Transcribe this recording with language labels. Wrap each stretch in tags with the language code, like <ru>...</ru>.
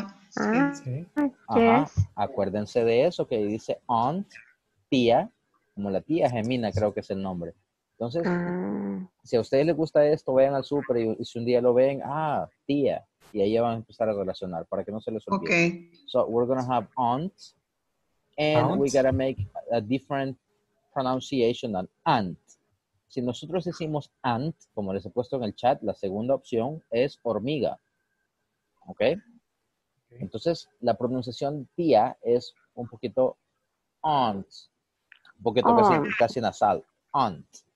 <es>Sí. Ajá. Acuérdense de eso, que dice aunt, tía, como la tía Gemina, creo que es el nombre. Entonces, si a ustedes les gusta esto, vayan al súper y si un día lo ven, tía, y ahí ya van a empezar a relacionar, para que no se les olvide.</es> <en>Okay. So, we're going to have aunt, and aunt? We got to make a different pronunciation than aunt.</en> <es>Si nosotros decimos ant, como les he puesto en el chat, la segunda opción es hormiga. ¿Okay? Entonces, la pronunciación tía es un poquito aunt. Un poquito casi nasal. Aunt.</es>